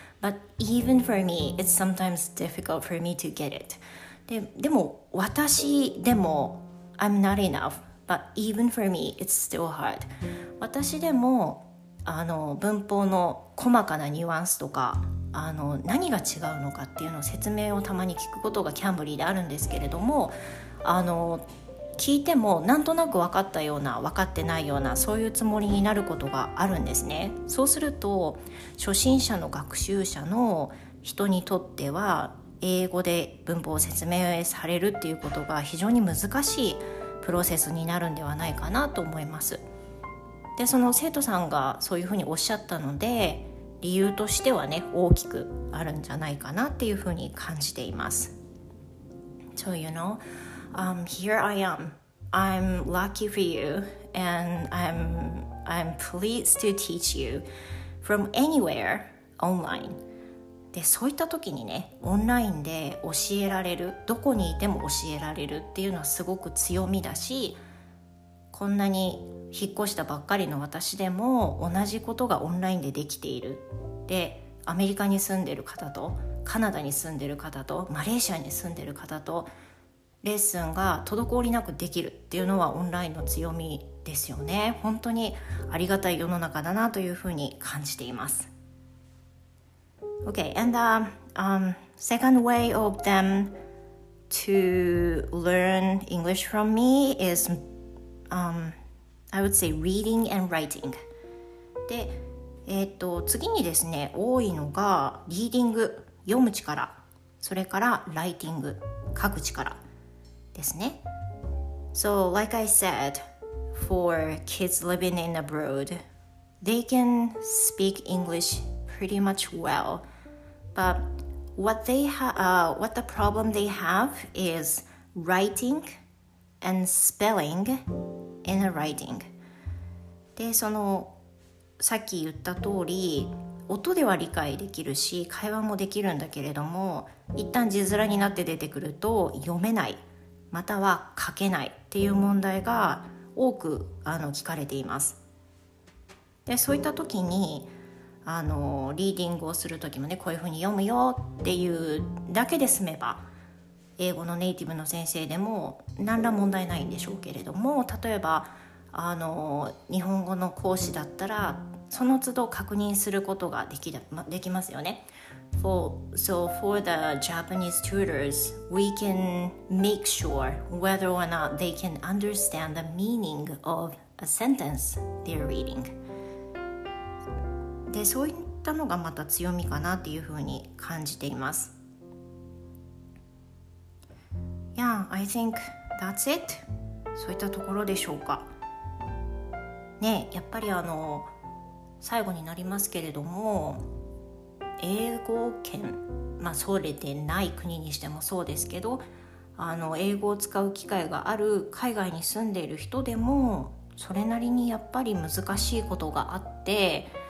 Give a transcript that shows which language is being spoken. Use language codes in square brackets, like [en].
[en] But even for me, it's sometimes difficult for me to get it. [ja] でも私でも [en] I'm not enough, but even for me, it's still hard. [ja] 私でも文法の細かなニュアンスとか何が違うのかっていうのを説明をたまに聞くことがキャンブリーであるんですけれども、聞いてもなんとなく分かったような分かってないような、そういうつもりになることがあるんですね。そうすると初心者の学習者の人にとっては英語で文法を説明されるっていうことが非常に難しいプロセスになるんではないかなと思います。で、その生徒さんがそういうふうにおっしゃったので、理由としてはね、大きくあるんじゃないかなっていうふうに感じています。 [en] So you know, here I am. I'm lucky for you, and I'm pleased to teach you from anywhere online. [ja] で、そういった時にね、オンラインで教えられる、どこにいても教えられるっていうのはすごく強みだし、こんなに引っ越したばっかりの私でも同じことがオンラインでできている。で、アメリカに住んでる方とカナダに住んでる方とマレーシアに住んでる方とレッスンが滞りなくできるっていうのはオンラインの強みですよね。本当にありがたい世の中だなというふうに感じています。 [en] Okay, and second way of them to learn English from me isI would say reading and writing. [ja] で、次にですね、多いのがリーディング、読む力、それからライティング、書く力ですね。 [en] So like I said, for kids living in abroad, they can speak English pretty much well. But what the problem they have is writing and spelling. In a writing. [ja] で、そのさっき言った通り、音では理解できるし会話もできるんだけれども、一旦字面になって出てくると読めない、または書けないっていう問題が多く聞かれています。で、そういった時にリーディングをする時もね、こういうふうに読むよっていうだけで済めば英語のネイティブの先生でも何ら問題ないんでしょうけれども、例えばあの日本語の講師だったらその都度確認することができる、できますよね。 [en] So for the Japanese tutors, we can make sure whether or not they can understand the meaning of a sentence they're reading. [ja] で、そういったのがまた強みかなっていうふうに感じています。 [en] Yeah, I think that's it. [ja] そういったところでしょうか。ね、やっぱりあの最後になりますけれども、英語圏、まあそれでない国にしてもそうですけど、あの英語を使う機会がある海外に住んでいる人でもそれなりにやっぱり難しいことがあって、